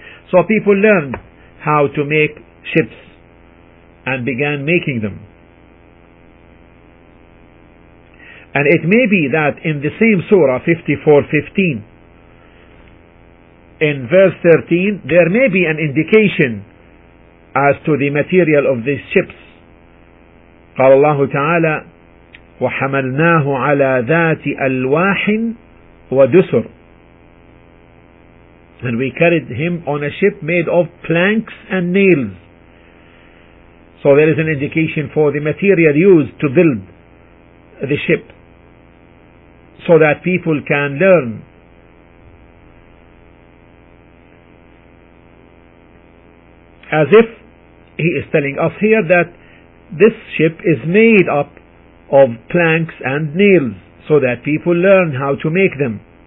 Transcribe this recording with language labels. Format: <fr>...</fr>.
<en>So people learned how to make ships and began making them. And it may be that in the same surah 54:15, in verse 13, there may be an indication as to the material of these ships.</en> <ar>قال الله تعالى وحملناه على ذات ألواح ودسر.</ar> <en>And we carried him on a ship made of planks and nails. So there is an indication for the material used to build the ship, so that people can learn as if he is telling us here that this ship is made up of planks and nails, so that people learn how to make them.</en>